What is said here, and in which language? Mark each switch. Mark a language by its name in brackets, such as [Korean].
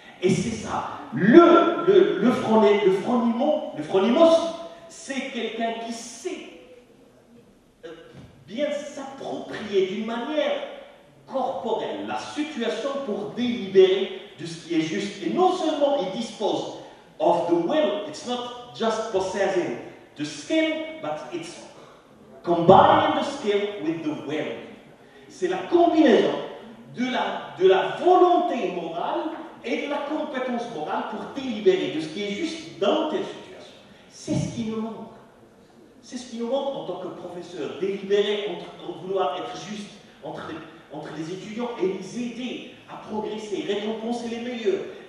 [French] Et c'est ça, le phronimos, c'est quelqu'un qui sait bien s'approprier d'une manière corporelle la situation pour délibérer de ce qui est juste. Et non seulement il dispose [English] of the will, it's not just possessing the skill, but it's combining the skill with the will. [French] C'est la combinaison de la volonté morale et de la compétence morale pour délibérer de ce qui est juste dans telle situation. C'est ce qui nous manque. C'est ce qui nous manque en tant que professeurs, délibérer entre vouloir être juste entre les étudiants et les aider à progresser, récompenser les meilleurs.